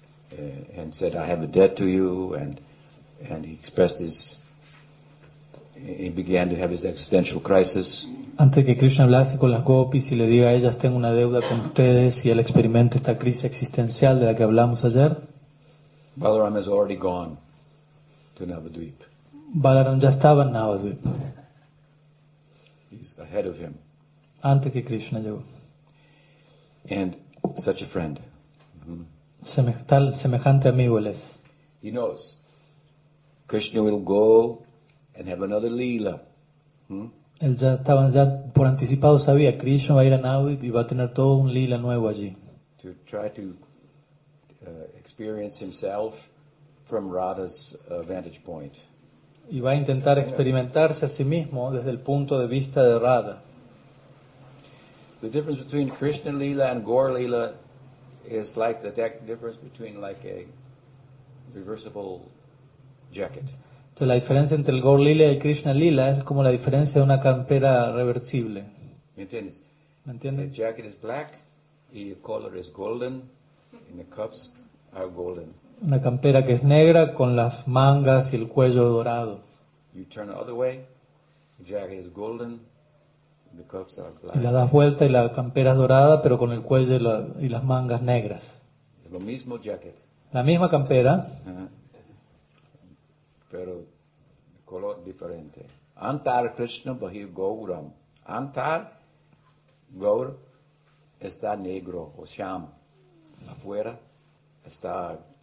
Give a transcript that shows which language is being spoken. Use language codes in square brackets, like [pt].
[en] And said, "I have a debt to you," and he expressed his. He began to have his existential crisis. [es] Antes que Krishna hablase con las gopis y le diga a ellas, tengo una deuda con ustedes, y él experimente esta crisis existencial de la que hablamos ayer. [en] Balaram has already gone to Navadvip. [es] Balaram ya estaba en Navadvip. [en] He's ahead of him. [es] Antes que Krishna llegó. [en] And such a friend. [es] Semejante amigo él es. [en] He knows Krishna will go and have another lila. [es] Él ya estaba, ya por anticipado sabía, Krishna va a ir a Navadvip y va a tener todo un lila nuevo allí. [en] To try to experience himself from Radha's vantage point. [es] Y va a intentar experimentarse a sí mismo desde el punto de vista de Radha. [en] The difference between Krishna lila and Gaur lila. It's like the difference between like a reversible jacket. [es] Entonces, la diferencia entre el Gaur Lila y el Krishna Lila es como la diferencia de una campera reversible. ¿Me entiendes? [en] The jacket is black, y the color is golden, and the cuffs are golden. [es] Una campera que es negra con las mangas y el cuello dorado. [en] You turn the other way, the jacket is golden. The cuffs are black. [es] Y la das vuelta y la campera es dorada, pero con el cuello y las mangas negras. Lo mismo jacket. La misma campera. Pero color diferente. [sa] Antar Krishna Bahir Gauram. [es] Antar Gaur está negro o sham. Afuera está